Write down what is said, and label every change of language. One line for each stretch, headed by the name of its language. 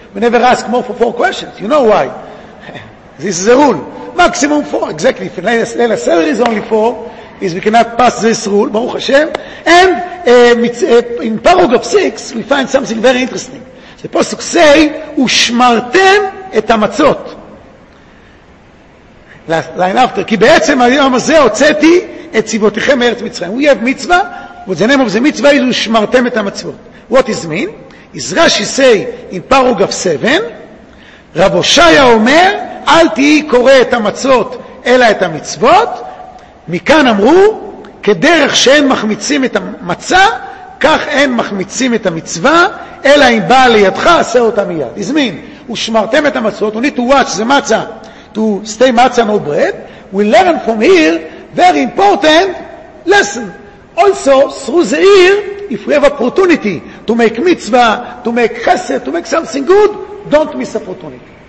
English: We never ask more for 4 questions. You know why? This is the rule. Maximum 4, exactly. If Leila Seder is only 4, is we cannot pass this rule, Baruch Hashem. And in paragraph 6, we find something very interesting. The pasuk say,
Hebrew: ושמרתם את המצות.
English: Line after.
Hebrew: כי בעצם היום הזה הוצאתי את ציבותיכם מארץ מצרים.
English: We have mitzvah, but the name of the mitzvah is
Hebrew: ושמרתם את המצות.
English: What is mean? Is Rashi say, in paragraph 7,
Hebrew: רב הושעיה אומר, אל תהי קורא את המצות, אלא את המצוות. מכאן אמרו, כדרך שאין מחמיצים את המצה, כך אין מחמיצים את המצווה, אלא אם באה לידך, עשה אותה מיד. הזמין, ושמרתם את המצוות,
English: you need to watch,
Hebrew: זה מצה,
English: to stay מצה, no bread, we learn from here, very important lesson. Also, through the ear, if we have opportunity to make mitzvah, to make chesed, to make something good, don't miss opportunity.